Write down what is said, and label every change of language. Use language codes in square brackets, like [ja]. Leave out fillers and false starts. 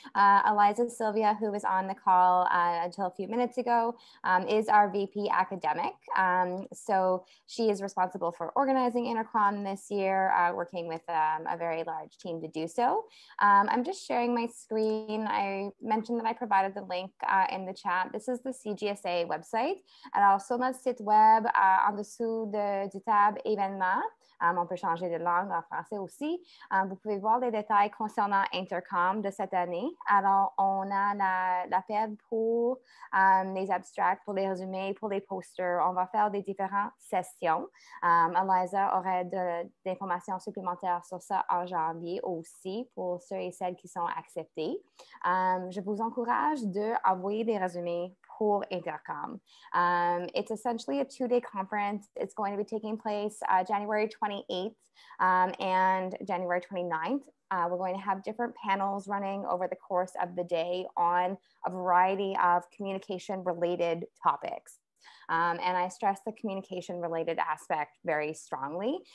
[en] Eliza Sylvia, who was on the call until a few minutes ago, is our VP academic. So she is responsible for organizing intercom this year, working with a very large team to do so. I'm just sharing my screen. I mentioned that I provided the link in the chat. This is the CGSA website. [fr] Alors, sur notre site web, en dessous du tab événement, on peut changer de langue en français aussi. Vous pouvez voir les détails concernant Intercom de cette année. Alors, on a l'appel pour les abstracts, pour les résumés, pour les posters. On va faire des différentes sessions. Eliza aurait d'informations supplémentaires sur ça en janvier aussi pour ceux et celles qui sont acceptés. Je vous encourage d'envoyer des résumés pour Intercom. [en] It's essentially a two-day conference. It's going to be taking place January 28th and January 29th. We're going to have different panels running over the course of the day on a variety of communication-related topics. And I stress the communication related aspect very strongly.